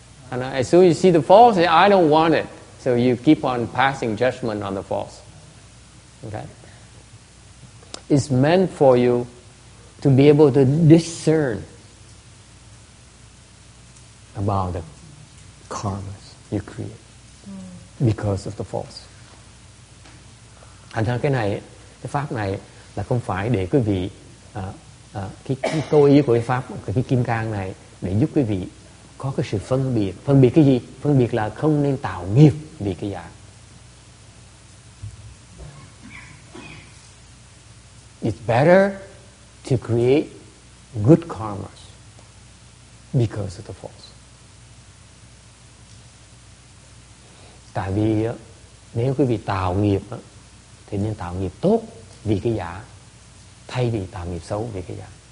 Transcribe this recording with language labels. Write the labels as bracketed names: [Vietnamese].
[English] And as soon as you see the false, say, I don't want it. So you keep on passing judgment on the false. Okay? It's meant for you to be able to discern about the karmas you create because of the false. [Vietnamese] Thành ra cái này, cái pháp này là không phải để quý vị cái câu ý của cái pháp, cái kim cang này để giúp quý vị có cái sự phân biệt. Phân biệt cái gì? Phân biệt là không nên tạo nghiệp vì cái giả. [English] It's better to create good karmas because of the false. [Vietnamese] Tại vì nếu quý vị tạo nghiệp á, thì nên tạo nghiệp tốt vì cái giả thay vì tạo nghiệp xấu vì cái giả.